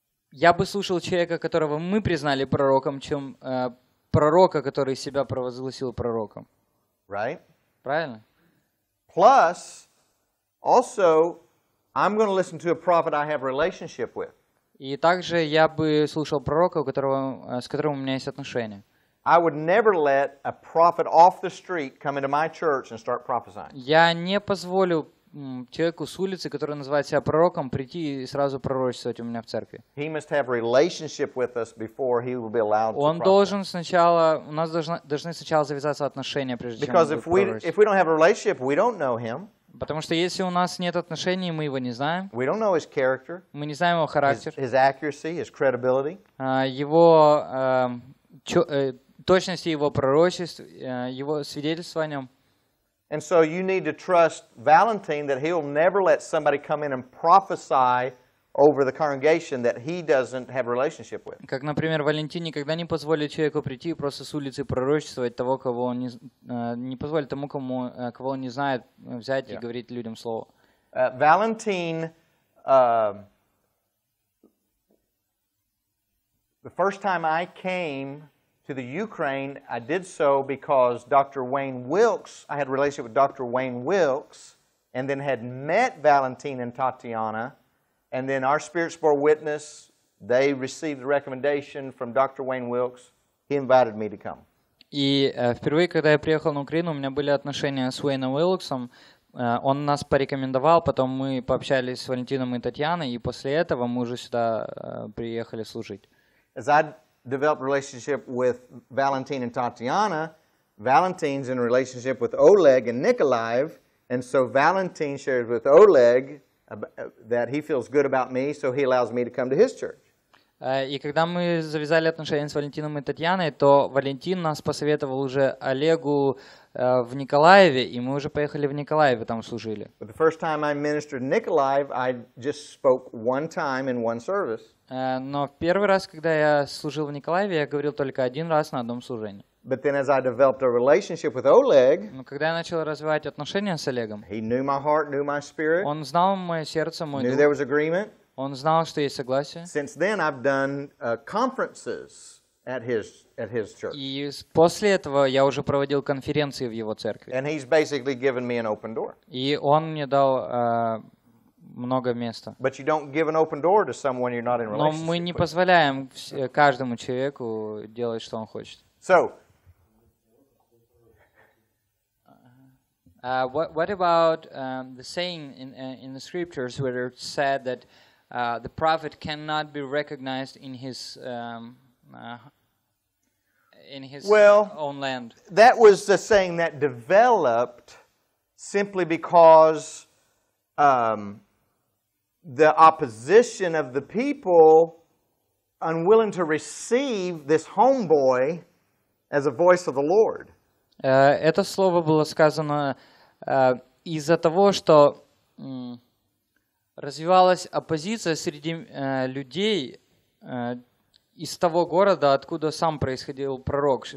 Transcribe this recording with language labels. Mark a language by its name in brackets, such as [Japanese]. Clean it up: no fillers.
[Russian] Я бы слушал человека, которого мы признали пророком, чем пророка, который себя провозгласил пророком. [English] Right? [Russian] Правильно? [English] Plus, also, I'm going to listen to a prophet I have a relationship with. [Russian] И также я бы слушал пророка, с которым у меня есть отношения. [English] I would never let a prophet off the street come into my church and start prophesying. [Russian] Я не позволю человеку с улицы, который называет себя пророком, прийти и сразу пророчествовать у меня в церкви. [English] He must have relationship with us before he will be allowed to prophesy. [Russian] Он должен сначала, у нас должны сначала завязаться отношения, прежде чем [English] Because if we don't have a relationship, we don't know him. [Russian] Потому что если у нас нет отношений, мы его не знаем. [English] We don't know his character. [Russian] Мы не знаем его характер. [English] His accuracy, his credibility. [Russian] Его точности его пророчеств, его свидетельства о нем. [English] And so you need to trust Valentine that he'll never let somebody come in and prophesy over the congregation that he doesn't have a relationship with. [Russian] Как, например, Валентин никогда не позволит человеку прийти просто с улицы пророчествовать того, кого он не позволит тому, кому кого он не знает, взять и говорить людям слово. [English] Valentine, the first time I came to the Ukraine, I did so because Dr. Wayne Wilkes, I had a relationship with Dr. Wayne Wilkes, and then had met Valentine and Tatiana, and then our spirits bore witness, they received the recommendation from Dr. Wayne Wilkes, he invited me to come. [Russian] И впервые, когда я приехал на Украину, у меня были отношения с Уэйном Уилксом, он нас порекомендовал, потом мы пообщались с Валентином и Татьяной, и после этого мы уже сюда приехали служить. [English] Developed relationship with Valentine and Tatiana. Valentine's in a relationship with Oleg and Nikolai, and so Valentine shares with Oleg that he feels good about me, so he allows me to come to his church. [Russian] И когда мы завязали отношения с Валентином и Татьяной, то Валентин нас посоветовал уже Олегу в Николаеве, и мы уже поехали в Николаеве, там служили. [English] The first time I ministered in Nikolai, I just spoke one time in one service. [Russian] Но в первый раз, когда я служил в Николаеве, я говорил только один раз на одном служении. [English] But then as I developed a relationship with Oleg, [Russian] но когда я начал развивать отношения с Олегом, [English] he knew my heart, knew my spirit, [Russian] он знал мое сердце, мой дух, [English] there was agreement. [Russian] Он знал, что есть согласие. [English] Since then I've done conferences at his church. [Russian] И после этого я уже проводил конференции в его церкви. [English] And he's basically given me an open door. [Russian] И он мне дал много места. [English] But you don't give an open door to someone you're not in relationship with. [Russian] Но мы не позволяем каждому человеку делать, что он хочет. [English] So, what about the saying in the scriptures where it said that the prophet cannot be recognized in his own land? That was the saying that developed simply because the opposition of the people unwilling to receive this homeboy as a voice of the Lord. [Russian] Это слово было сказано из-за того, что развивалась оппозиция среди людей из того города, откуда сам происходил пророк.